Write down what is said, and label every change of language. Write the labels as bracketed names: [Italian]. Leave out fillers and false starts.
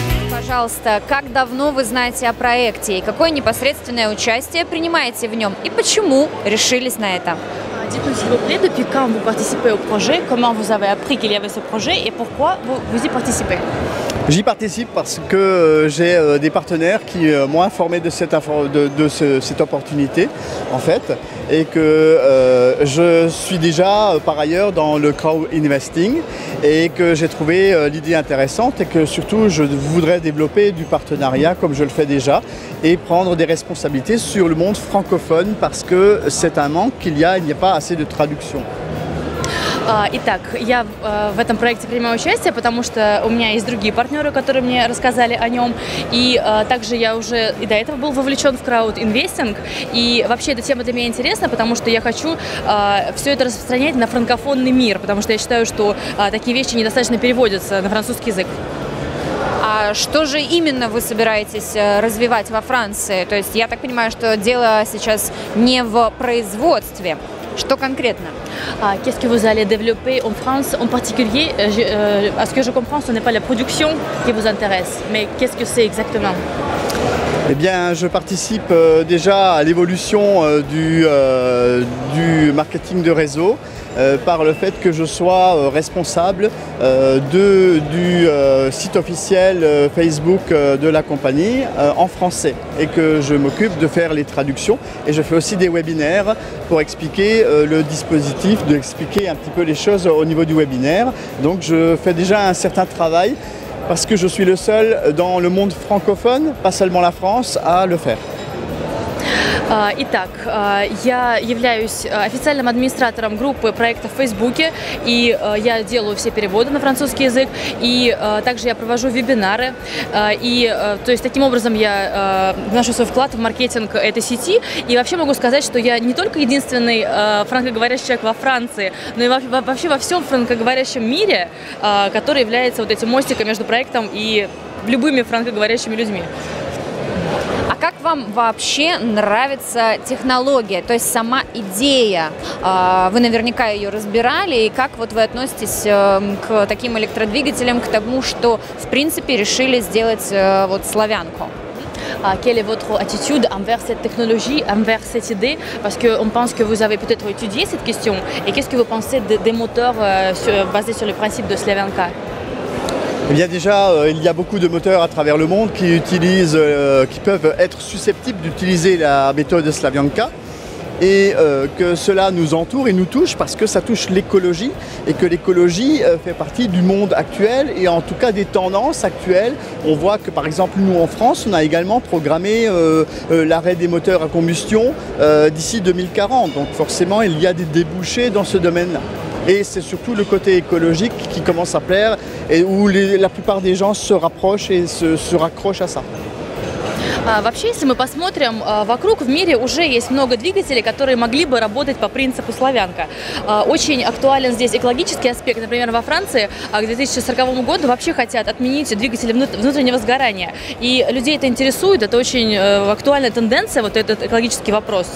[Russian] Пожалуйста, как давно вы знаете о проекте и какое непосредственное участие принимаете в нем и почему решились на это? [French] Dites-nous, s'il vous plaît, depuis quand vous participez au projet, comment vous avez appris qu'il y avait ce projet et pourquoi vous y participez? J'y participe parce que j'ai des partenaires qui m'ont informé de cette opportunité, en fait, et que je suis déjà, par ailleurs, dans le crowdinvesting et que j'ai trouvé l'idée intéressante et que, surtout, je voudrais développer du partenariat, comme je le fais déjà, et prendre des responsabilités sur le monde francophone parce que c'est un manque qu'il y a, il n'y a pas assez de traduction. [Russian] Итак, я в этом проекте принимаю участие, потому что у меня есть другие партнеры, которые мне рассказали о нем. И также я уже и до этого был вовлечен в краудинвестинг. И вообще эта тема для меня интересна, потому что я хочу все это распространять на франкофонный мир, потому что я считаю, что такие вещи недостаточно переводятся на французский язык. А что же именно вы собираетесь развивать во Франции? То есть я так понимаю, что дело сейчас не в производстве. Что конкретно? [French] Qu'est-ce que vous allez développer en France en particulier? À ce que je comprends, ce n'est pas la production qui vous intéresse, mais qu'est-ce que c'est exactement? Eh bien, je participe déjà à l'évolution du marketing de réseau par le fait que je sois responsable du site officiel Facebook de la compagnie en français et que je m'occupe de faire les traductions et je fais aussi des webinaires pour expliquer le dispositif, d'expliquer un petit peu les choses au niveau du webinaire. Donc je fais déjà un certain travail parce que je suis le seul dans le monde francophone, pas seulement la France, à le faire. [Russian] Итак, я являюсь официальным администратором группы проекта в Фейсбуке, и я делаю все переводы на французский язык, и также я провожу вебинары, и то есть таким образом я вношу свой вклад в маркетинг этой сети, и вообще могу сказать, что я не только единственный франкоговорящий человек во Франции, но и вообще во всем франкоговорящем мире, который является вот этим мостиком между проектом и любыми франкоговорящими людьми. Как вам вообще нравится технология, то есть сама идея? Вы наверняка ее разбирали, и как вот вы относитесь к таким электродвигателям, к тому, что в принципе решили сделать вот славянку? [French] Quelle est votre attitude envers cette technologie, envers cette idée? Parce qu'on pense que vous avez peut-être étudié cette question. Et qu'est-ce que vous pensez des moteurs basés sur le principe de славянка? Eh bien déjà, il y a beaucoup de moteurs à travers le monde qui peuvent être susceptibles d'utiliser la méthode Slavyanka. et que cela nous entoure et nous touche parce que ça touche l'écologie et que l'écologie fait partie du monde actuel et en tout cas des tendances actuelles. On voit que par exemple nous en France, on a également programmé l'arrêt des moteurs à combustion d'ici 2040. Donc forcément il y a des débouchés dans ce domaine-là. Et c'est surtout le côté écologique qui commence à plaire et où la plupart des gens se rapprochent et se raccrochent à ça. [Russian] Вообще, если мы посмотрим вокруг, в мире уже есть много двигателей, которые могли бы работать по принципу «славянка». Очень актуален здесь экологический аспект. Например, во Франции к 2040 году вообще хотят отменить двигатели внутреннего сгорания. И людей это интересует, это очень актуальная тенденция, вот этот экологический вопрос.